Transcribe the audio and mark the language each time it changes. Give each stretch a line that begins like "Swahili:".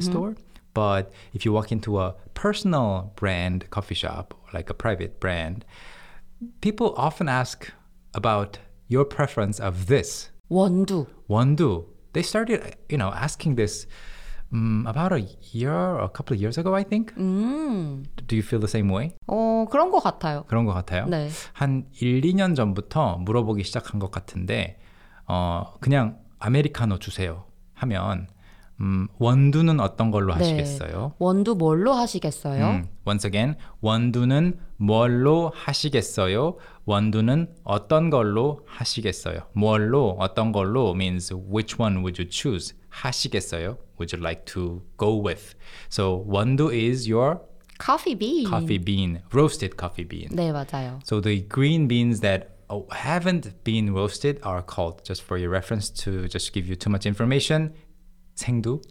English: store, but if you walk into a personal brand coffee shop, like a private brand, people often ask about your preference of this.
Korean: Wondu. Wondu.
English: They started, you know, asking this about a year or a couple of years ago, I think. Do you feel the same way?
Korean: 그런 것 같아요. 그런 것 같아요? 네. 한 1, 2년 전부터 물어보기 시작한 것 같은데 그냥 아메리카노 주세요 하면 원두는 어떤 걸로 네. 하시겠어요? 원두 뭘로 하시겠어요?
English: Once again,
Korean: 원두는 뭘로 하시겠어요? 원두는 어떤 걸로 하시겠어요? 뭘로 어떤 걸로
English: means which one would you choose?
Korean: 하시겠어요?
English: Would you like to go with? So, 원두 is your coffee bean. Coffee bean, roasted coffee bean.
Korean: 네, 맞아요.
English: So the green beans that haven't been roasted are called, just for your reference, to just give you too much information, 생두.